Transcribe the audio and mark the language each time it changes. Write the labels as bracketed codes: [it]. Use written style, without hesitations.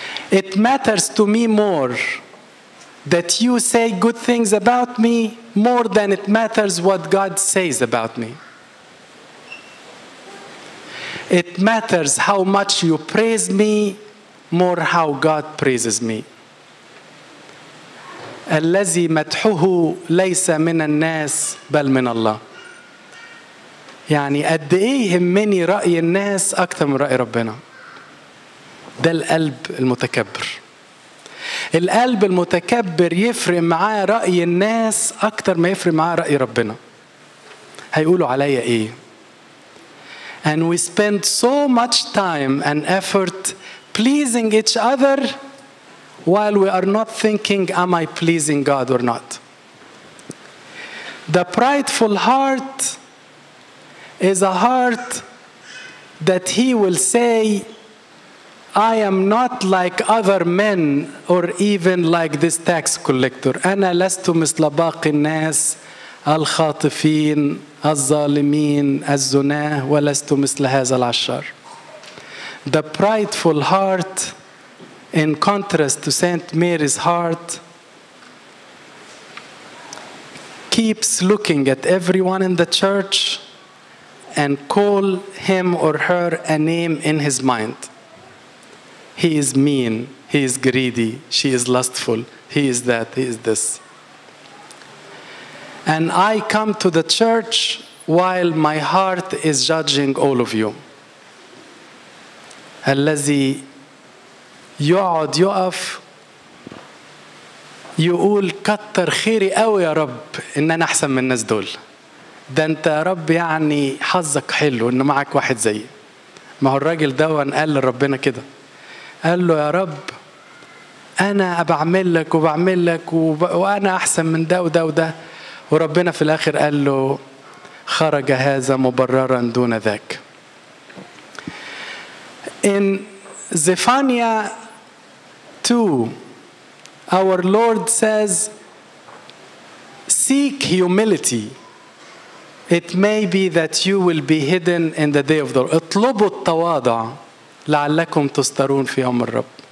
[en] It matters to me more that you say good things about me more than it matters what God says about me. It matters how much you praise me more how God praises me. [ar] الذي مدحه ليس من الناس بل من الله. يعني قد ايه يهمني رأي الناس اكتر من رأي ربنا. ده القلب المتكبر. القلب المتكبر يفرق معاه رأي الناس اكتر ما يفرق معاه رأي ربنا. هيقولوا عليا ايه. [en] And we spend so much time and effort pleasing each other while we are not thinking, am I pleasing God or not? The prideful heart is a heart that he will say, I am not like other men or even like this tax collector. [ar] أنا لست مثل باقي الناس الخاطفين الظالمين الزناة ولست مثل هذا العشار. [en] The prideful heart, in contrast to Saint Mary's heart, keeps looking at everyone in the church and call him or her a name in his mind. He is mean, he is greedy, she is lustful, he is that, he is this. And I come to the church while my heart is judging all of you. [ar] الذي يقعد يقف يقول كتر خيري قوي يا رب ان انا احسن من الناس دول. ده انت يا رب يعني حظك حلو ان معك واحد زي. ما هو الراجل ده قال لربنا كده. قال له يا رب انا بعمل لك وبعمل لك وانا احسن من ده وده وده. وربنا في الاخر قال له خرج هذا مبررا دون ذاك. [en] In Zephaniah 2, our Lord says, seek humility. It may be that you will be hidden in the day of the Lord. [ar] اطلبوا التواضع لعلكم تسترون في يوم الرب.